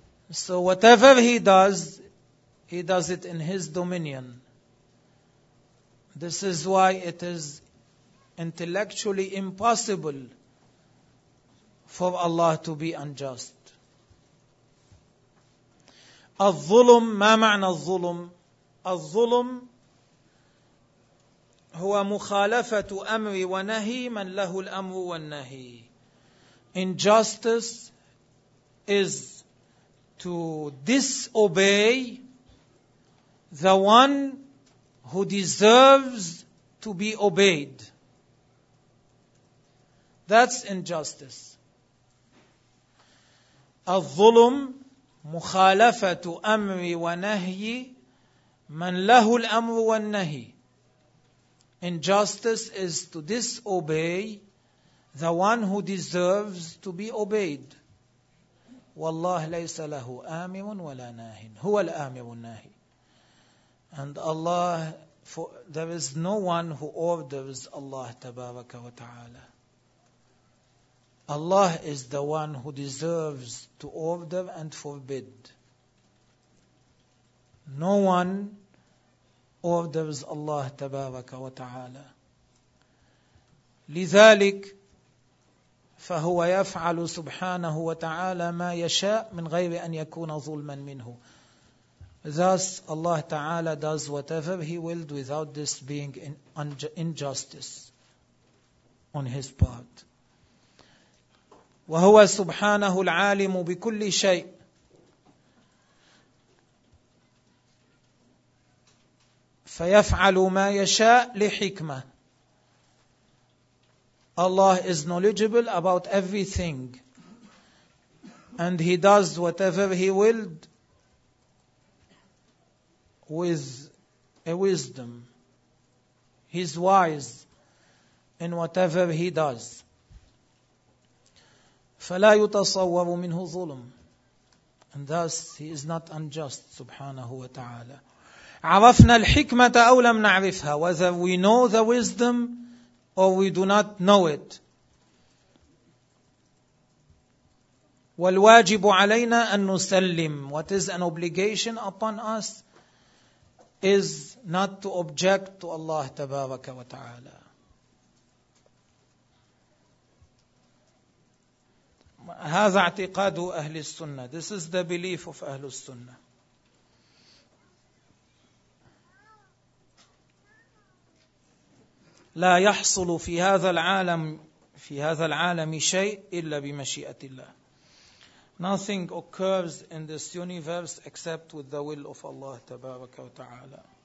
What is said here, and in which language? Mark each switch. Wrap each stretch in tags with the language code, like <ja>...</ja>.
<en>So whatever he does it in his dominion. This is why it is intellectually impossible for Allah to be unjust.</en> <ar>الظلم، ما معنى الظلم؟ الظلم هو مخالفة أمر ونهي من له الأمر والنهي.</ar> <en>Injustice is to disobey the one who deserves to be obeyed. That's injustice.</en> <ar>الظلم مخالفة أمر ونهي من له الأمر والنهي.</ar> <en>Injustice is to disobey the one who deserves to be obeyed.</en> <ar>والله ليس له آمر ولا ناهي. هو الآمر والناهي.</ar> <en>And Allah, there is no one who orders Allah</en> <ar>تبارك وتعالى.</ar> <en>Allah is the one who deserves to order and forbid. No one orders Allah</en> <ar>تبارك وتعالى. لذلك فهو يفعل سبحانه وتعالى ما يشاء من غير أن يكون ظلما منه.</ar> <en>Thus Allah تعالى does whatever He willed without this being injustice on His part.</en> <ar>وهو سبحانه العالم بكل شيء. فيفعل ما يشاء لحكمة.</ar> <en>Allah is knowledgeable about everything. And He does whatever He willed with a wisdom. He's wise in whatever He does.</en> <ar>فلا يتصور منه ظلم.</ar> <en>And thus he is not unjust</en> <ar>سبحانه وتعالى. عرفنا الحكمة أو لم نعرفها.</ar> <en>Whether we know the wisdom or we do not know it.</en> <ar>والواجب علينا أن نسلم.</ar> <en>What is an obligation upon us is not to object to Allah</en> <ar>تبارك وتعالى. هذا اعتقاد أهل السنة.</ar> <en>This is the belief of أهل السنة.</en> <ar>لا يحصل في هذا العالم شيء إلا بمشيئة الله.</ar> <en>Nothing occurs in this universe except with the will of Allah</en> <ar>تبارك وتعالى.</ar>